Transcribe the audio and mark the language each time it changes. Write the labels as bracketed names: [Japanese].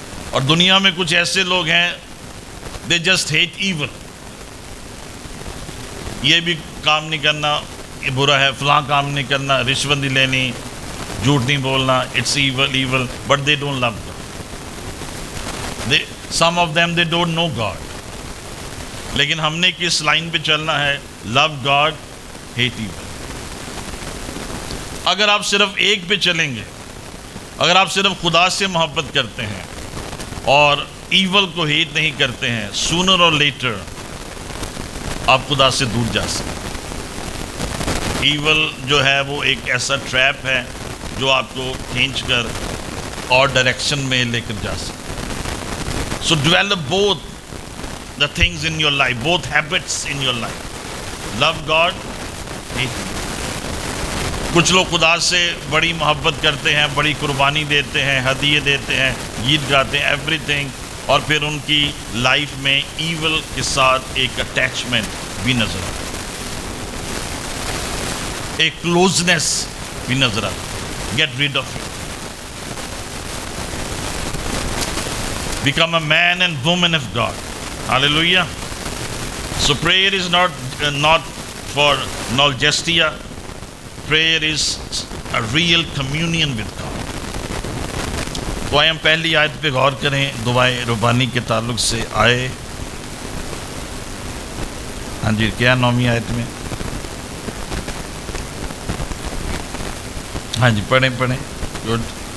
[Urdu] اور دنیا میں کچھ ایسے لوگ ہیں، [English] they just hate evil, [Urdu] یہ بھی کام نہیں کرنا، یہ برا ہے، فلاں کام نہیں کرنا، رشوت نہیں لینی، جھوٹ نہیں بولنا، [English] It's evil evil, but they don't love God. They some of them they don't know God. [Urdu] لیکن ہم نے کس لائن پہ چلنا ہے؟ [English] Love God, hate evil. [Urdu] اگر آپ صرف ایک پہ چلیں گے، اگر آپ صرف خدا سے محبت کرتے ہیں اور ایول کو ہیٹ نہیں کرتے ہیں، سونر اور لیٹر آپ خدا سے دور جا سکتے ہیں. ایول جو ہے وہ ایک ایسا ٹریپ ہے جو آپ کو کھینچ کر اور ڈائریکشن میں لے کر جا سکتے ہیں. [English] So develop both the things in your life, both habits in your life. Love God. [Urdu] کچھ لوگ خدا سے بڑی محبت کرتے ہیں، بڑی قربانی دیتے ہیں، ہدیے دیتے ہیں، گیت گاتے ہیں، ایوری تھنگ، اور پھر ان کی لائف میں ایول کے ساتھ ایک اٹیچمنٹ بھی نظر آتا ہے، ایک کلوزنیس بھی نظر آتا ہے. [English] Get rid of it. Become a man and woman of God. Hallelujah. So prayer is not for nostalgia. Prayer is a real communion with God. [Urdu] تو آئیں ہم پہلی آیت پہ غور کریں دعائیں ربانی کے تعلق سے. آئے، ہاں جی، کیا نومی آیت میں، ہاں جی، پڑھیں. [English] Good.